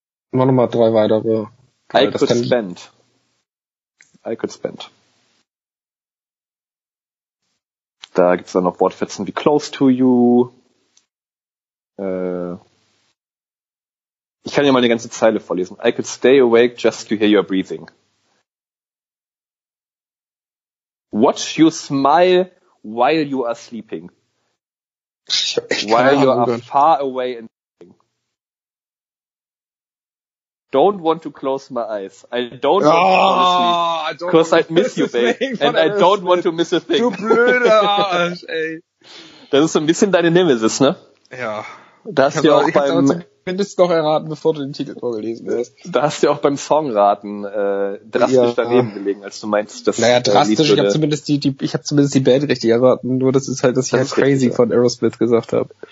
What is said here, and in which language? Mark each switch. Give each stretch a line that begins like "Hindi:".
German: Immer noch mal drei weitere.
English: I could spend.
German: Da gibt es dann noch Wortfetzen wie
English: close to you.
German: Ich kann ja mal eine ganze Zeile vorlesen.
English: I could stay awake just to hear your breathing. Watch you smile while you are sleeping. While you are far away and sleeping. Don't want to close my eyes. I don't want to fall asleep. Because I'd miss you, babe. And I don't want to miss a thing.
German: Du blöder Arsch, ey. Das ist so ein bisschen deine Nemesis, ne? Ja. Da hast du ja auch beim... Findest du noch erraten, bevor du den Titel vorgelesen hast. Da hast du ja auch beim Songraten drastisch daneben gelegen, als du meinst, dass... Naja, drastisch, ich hab zumindest die Band richtig erraten, nur das ist halt, dass das ich halt crazy richtig, von Aerosmith gesagt habe.